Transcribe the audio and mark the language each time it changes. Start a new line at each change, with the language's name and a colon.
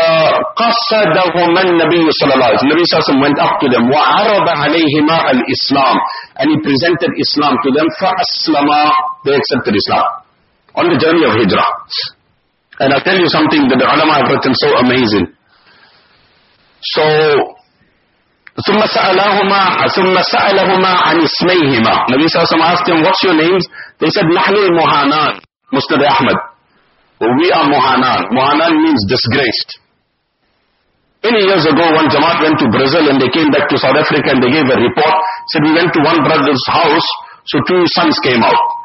Arabic: فَقَصَّدَهُمَا النَّبِيُّ صَلَى اللَّهِ عَلَيْهِ وَسَلَّمْ.
English: Nabi Sassam went up to them.
Arabic: وَعَرَضَ عَلَيْهِمَا الْإِسْلَامِ.
English: And he presented Islam to them.
Arabic: فَأَسْلَمَا.
English: They accepted Islam on the journey of Hijrah. And I'll tell you something that the ulama have written so amazing.
Arabic: So, ثُمَّ سَأَلَهُمَا عَنْ إِسْمَيْهِمَا.
English: Nabi Sallallahu Alaihi Wasallam asked them, what's your names? They said,
Arabic: نَحْنُ الْمُحَانَان.
English: Musnad Ahmad. Well, we are Muhanan. Muhanan means disgraced. Many years ago, one Jamaat went to Brazil and they came back to South Africa and they gave a report. Said, we went to one brother's house, so two sons came out.